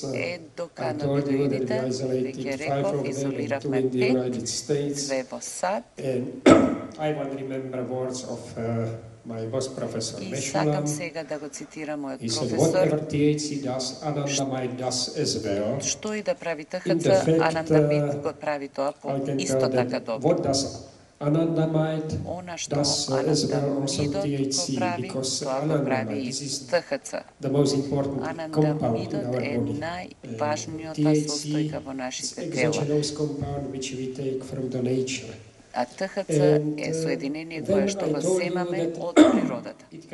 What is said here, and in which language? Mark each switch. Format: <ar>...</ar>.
<mk>endocannabinoidите, веќе реков, изолиравме 5, 2 во САД.</mk> <en>I want to remember words of my boss professor Meshulam.</en> <mk>И сакам сега да го цитирам мојот професор.</mk> <en>He said, whatever THC does, anandamide does as well.</en> <mk>Што и да прави THC, анандамид го прави тоа по исто така добро.</mk> <en>What does anandamide does as well as some THC, because anandamide is the most important compound in our body. THC is exogenous compound which we take from the nature.</en> <mk>А THC е соединение кое што го земаме од природата.</mk>